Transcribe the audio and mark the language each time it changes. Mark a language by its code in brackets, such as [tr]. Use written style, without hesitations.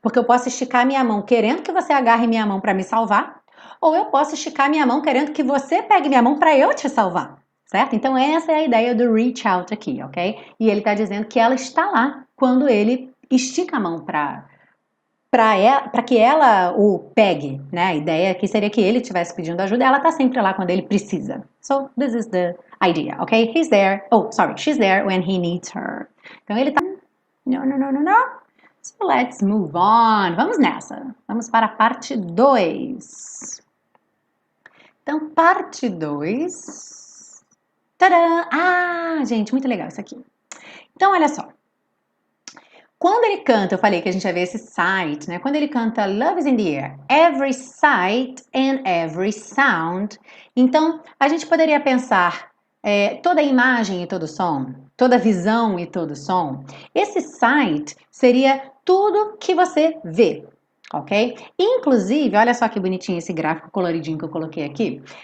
[pt] Porque eu posso esticar minha mão querendo que você agarre minha mão para me salvar, ou eu posso esticar minha mão querendo que você pegue minha mão para eu te salvar, certo? Então essa é a ideia do reach out aqui, ok? E ele está dizendo que ela está lá quando ele estica a mão para que ela o pegue, né? A ideia aqui seria que ele estivesse pedindo ajuda, ela está sempre lá quando ele precisa. [en] So, this is the idea, ok? He's there, oh, sorry, she's there when he needs her. [pt] Então, ele está Não, não, não, não, não. [en] So let's move on. [pt] Vamos nessa. Vamos para a parte 2. Então, parte 2. Tadã! Ah, gente, muito legal isso aqui. Então, olha só. Quando ele canta, eu falei que a gente ia ver esse site, né? Quando ele canta [en] Love is in the Air, Every Sight and Every Sound. [pt] Então, a gente poderia pensar toda a imagem e todo o som, toda a visão e todo o som. Esse sight seria tudo que você vê, ok? Inclusive, olha só que bonitinho esse gráfico coloridinho que eu coloquei aqui.